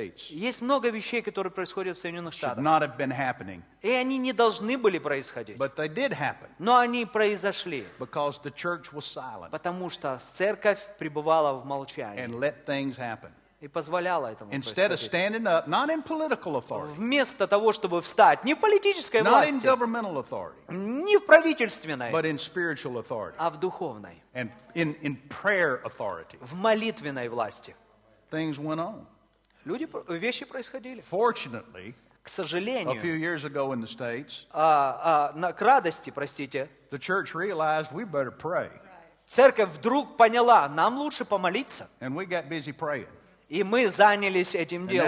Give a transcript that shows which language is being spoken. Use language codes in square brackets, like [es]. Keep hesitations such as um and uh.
[ru] Есть много вещей, которые происходят в Соединенных Штатах. И они не должны были происходить. Но они произошли [en] because the church was silent. [ru] Потому что церковь пребывала в молчании. [en] And let things happen. [ru] И позволяла этому [en] Instead of standing up, not in political authority. [ru] Вместо того, чтобы встать, не в политической not власти. [en] Not in governmental authority. [ru] Не в правительственной. [en] But in spiritual authority. [ru] А в духовной. [en] And in in prayer authority. [ru] В молитвенной власти. [en] Things went on. [ru] Люди, вещи происходили. [en] Fortunately, [ru] к сожалению, [en] a few years ago in the states, uh, uh, [ru] на, к радости, простите, [en] uh, The church realized we better pray. Right. [ru] Церковь вдруг поняла, нам лучше помолиться. [en] And we got busy praying. [ru] И мы занялись этим делом.